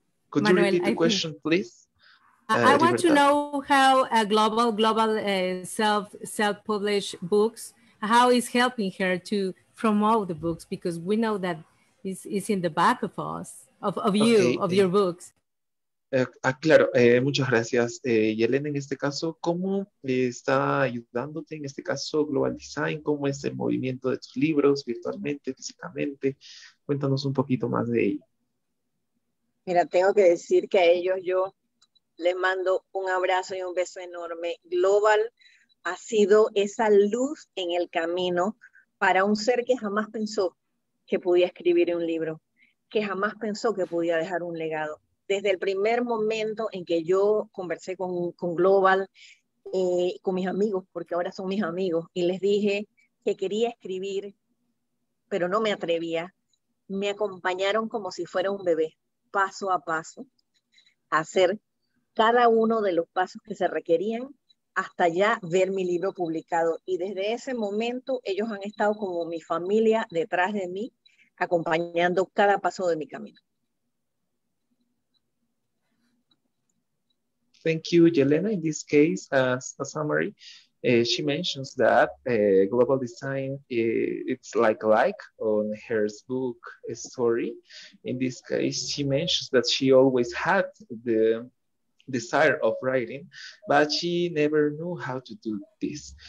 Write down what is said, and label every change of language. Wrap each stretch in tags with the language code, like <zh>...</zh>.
<en>Could Manuel, you repeat the question, please? I want to know how a Global self-published books, how is helping her to promote the books, because we know that it's in the back of us, your books.</en> <es>Claro, muchas gracias, Yelena. En este caso, ¿cómo está ayudándote, en este caso, Global Design? ¿Cómo es el movimiento de tus libros virtualmente, físicamente? Cuéntanos un poquito más de ello. Mira, tengo que decir que a ellos yo les mando un abrazo y un beso enorme. Global ha sido esa luz en el camino para un ser que jamás pensó que podía escribir un libro, que jamás pensó que podía dejar un legado. Desde el primer momento en que yo conversé con Global, con mis amigos, porque ahora son mis amigos, y les dije que quería escribir, pero no me atrevía, me acompañaron como si fuera un bebé, paso a paso, a hacer cada uno de los pasos que se requerían hasta ya ver mi libro publicado. Y desde ese momento ellos han estado como mi familia detrás de mí, acompañando cada paso de mi camino.</es> <en>Thank you, Yelena. In this case, as a summary, she mentions that Global Design, it's like on her book story. In this case, she mentions that she always had the desire of writing, but she never knew how to do this.</en>